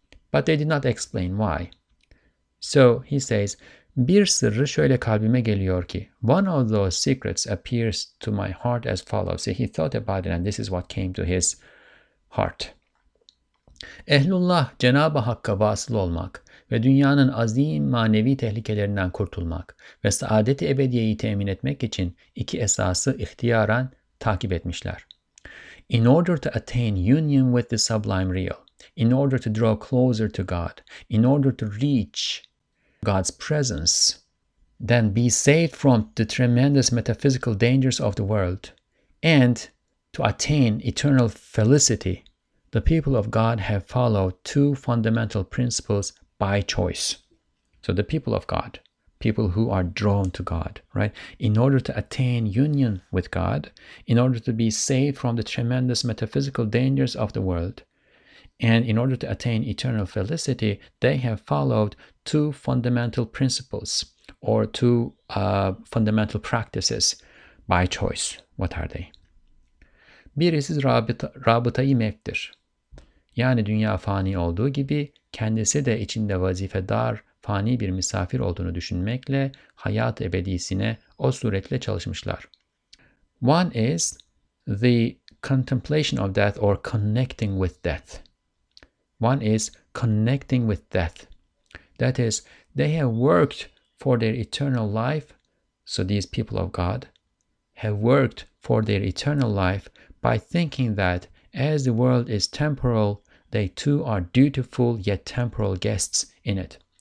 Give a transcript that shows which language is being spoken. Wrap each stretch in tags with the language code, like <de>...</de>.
<en>But they did not explain why. So he says,</en> <tr>bir sırrı şöyle kalbime geliyor ki,</tr> <en>one of those secrets appears to my heart as follows. So he thought about it and this is what came to his heart.</en> <tr>Ehlullah, Cenab-ı Hakk'a vasıl olmak ve dünyanın azim manevi tehlikelerinden kurtulmak ve saadet-i ebediyeyi temin etmek için iki esası ihtiyaren takip etmişler.</tr> <en>In order to attain union with the sublime real, in order to draw closer to God, in order to reach God's presence, then be saved from the tremendous metaphysical dangers of the world, and to attain eternal felicity, the people of God have followed two fundamental principles by choice. So the people of God, people who are drawn to God, right? In order to attain union with God, in order to be saved from the tremendous metaphysical dangers of the world, and in order to attain eternal felicity, they have followed two fundamental principles or two fundamental practices by choice. What are they?</en> <tr>Birisi rabıtayı mevktir. Yani dünya fani olduğu gibi kendisi de içinde vazifedar fani bir misafir olduğunu düşünmekle hayat ebedisine o suretle çalışmışlar.</tr> <en>One is the contemplation of death or connecting with death. One is connecting with death. That is, they have worked for their eternal life. So these people of God have worked for their eternal life by thinking that as the world is temporal, they too are dutiful yet temporal guests in it.</en>